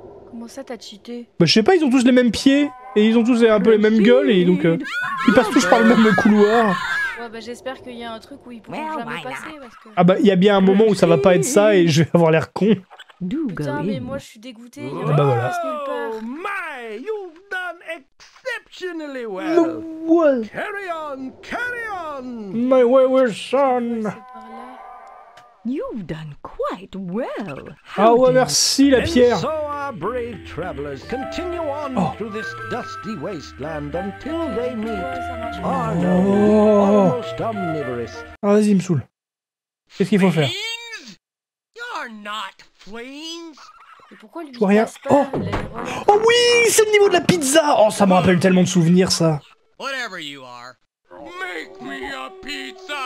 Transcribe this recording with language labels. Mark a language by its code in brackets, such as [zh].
[fr] Comment ça, t'as cheaté? Bah, je sais pas, ils ont tous les mêmes pieds. Et ils ont tous un peu les mêmes gueules. Et donc, ils passent tous par le même couloir. Ouais, bah, j'espère qu'il y a un truc où ils pourront jamais passer. Parce que... Ah bah, il y a bien un moment où ça va pas être ça et je vais avoir l'air con. Putain, mais moi, je suis dégoûté. Oh, bah voilà. [en] Oh my, you've done exceptionally well. What? Carry on, carry on. My wayward son. You've done quite well. How [fr] ah ouais, merci la pierre. [en] And so our brave travelers continue on through this dusty wasteland until they meet Arno, almost omnivorous. [fr] Ah, vas-y, me saoule. Qu'est-ce qu'il faut faire? [en] You're not fleeings. [fr] Je vois rien. Oh, oh oui, c'est le niveau de la pizza. Oh, ça me rappelle tellement de souvenirs, ça. [en] Whatever you are, make me a pizza.